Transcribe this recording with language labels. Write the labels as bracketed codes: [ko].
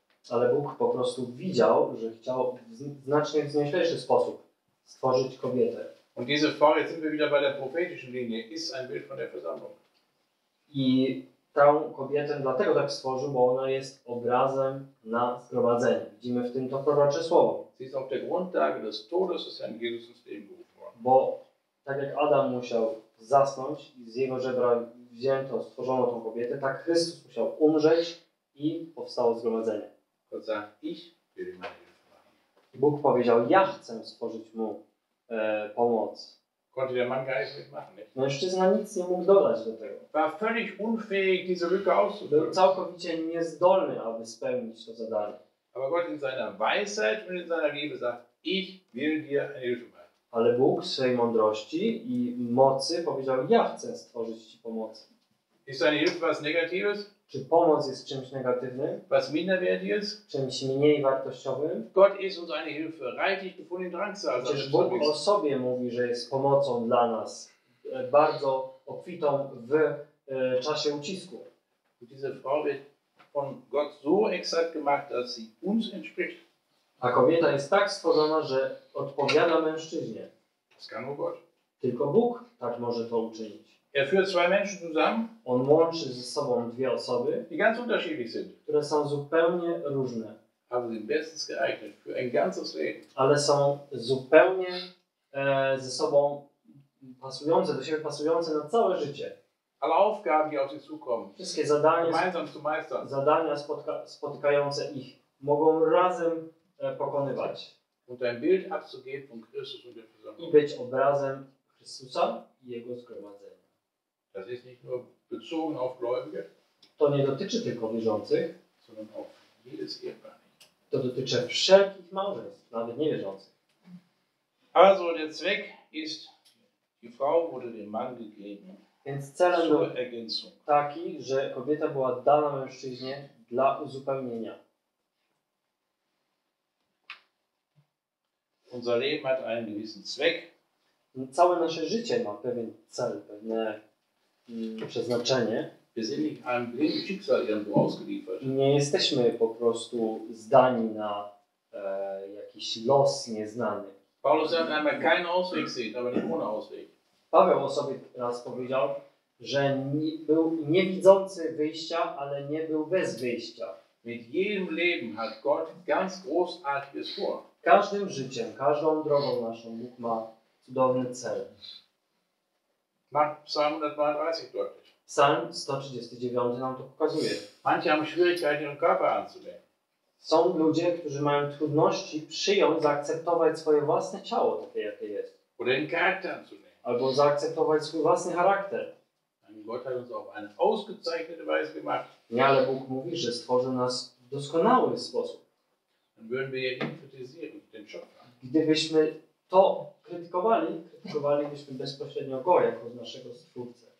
[pl] Ale Bóg po prostu widział, że chciał w znacznie wznioślejszy sposób stworzyć kobietę. [de] Und diese Frau, jetzt sind wir wieder bei der prophetischen Linie, ist ein Bild von der Versammlung. [pl] I tę kobietę dlatego tak stworzył, bo ona jest obrazem na zgromadzenie. Widzimy w tym to prorocze słowo. [de] Sie ist auf der Grundlage des Todes des Herrn Jesus ins Leben gerufen worden. [pl] Bo tak jak Adam musiał zasnąć i z jego żebra wzięto, stworzono tą kobietę, tak Chrystus musiał umrzeć i powstało zgromadzenie. [de] Gott sagt, ich will ihm eine Hilfe machen. [pl] Bóg powiedział, ja chcę stworzyć mu pomoc. [de] Konnte der Mann gar nicht mitmachen, nicht? [pl] Mężczyzna nic nie mógł dodać do tego. [de] War völlig unfähig, diese Lücke auszufüllen. [pl] Był całkowicie niezdolny, aby spełnić to zadanie. [de] Aber Gott in seiner Weisheit und in seiner Liebe sagt, ich will dir eine Hilfe machen. [pl] Ale Bóg w swojej mądrości i mocy powiedział, ja chcę stworzyć ci pomoc. [de] Ist deine Hilfe was Negatives? [pl] Czy pomoc jest czymś negatywnym? [de] Was minderwertig ist? [pl] Czymś mniej wartościowym? [de] Gott ist uns eine Hilfe, reichlich gefunden in Drangsal. [pl] Przecież Bóg o sobie mówi, że jest pomocą dla nas, bardzo obfitą w czasie ucisku. [de] Diese Frau wird von Gott so exakt gemacht, dass sie uns entspricht. [pl] A kobieta jest tak stworzona, że odpowiada mężczyźnie. [de] Das kann nur Gott. [pl] Tylko Bóg tak może to uczynić. [de] Er führt zwei Menschen zusammen. [pl] On łączy ze sobą dwie osoby, [de] die ganz unterschiedlich sind, [pl] które są zupełnie różne, [de] aber sind bestens geeignet für ein ganzes Leben. [pl] Ale są zupełnie ze sobą pasujące, do siebie pasujące na całe życie. [de] Alle Aufgaben, die auf sie zukommen, [pl] wszystkie zadania, [de] gemeinsam zu meistern. [pl] Zadania spotykające ich, mogą razem pokonywać. [de] Und ein Bild abzugeben von Christus und der Versammlung. [pl] I być obrazem Chrystusa i Jego zgromadzenia. [de] Das ist nicht nur bezogen auf Gläubige. [pl] To nie dotyczy tylko wierzących, [de] sondern auch jedes Ehepaar. [pl] To dotyczy wszelkich małżeństw, nawet niewierzących. [de] Also der Zweck ist, die Frau wurde dem Mann gegeben. [pl] Więc celem był taki, że kobieta była dana mężczyźnie dla uzupełnienia. [de] Unser Leben hat einen gewissen Zweck. [pl] Całe nasze życie ma pewien cel, pewne przeznaczenie. [de] Wir sind nicht einem blinden Schicksal irgendwo ausgeliefert. [pl] Nie jesteśmy po prostu zdani na jakiś los nieznany. [de] Paulus hat einmal keinen Ausweg gesehen, aber nicht ohne Ausweg. [pl] Paweł o sobie raz powiedział, że nie, był niewidzący wyjścia, ale nie był bez wyjścia. [de] Mit jedem Leben hat Gott ganz großartiges vor. [pl] Każdym życiem, każdą drogą naszą Bóg ma cudowny cel. [de] Macht Psalm 132 deutlich. [pl] Psalm 139 nam to pokazuje. [de] Manche haben Schwierigkeiten, ihren Körper anzunehmen. [pl] Są ludzie, którzy mają trudności przyjąć, zaakceptować swoje własne ciało, takie jakie jest. [de] Oder den Charakter anzunehmen. [pl] Albo zaakceptować swój własny charakter. [de] Gott hat uns auf eine ausgezeichnete Weise gemacht. [pl] Nie, ale Bóg mówi, że stworzył nas w doskonały sposób. [de] Dann würden wir ihn kritisieren, den Schöpfer. [pl] Gdybyśmy to krytykowali, krytykowalibyśmy bezpośrednio Go jako naszego Stwórcę.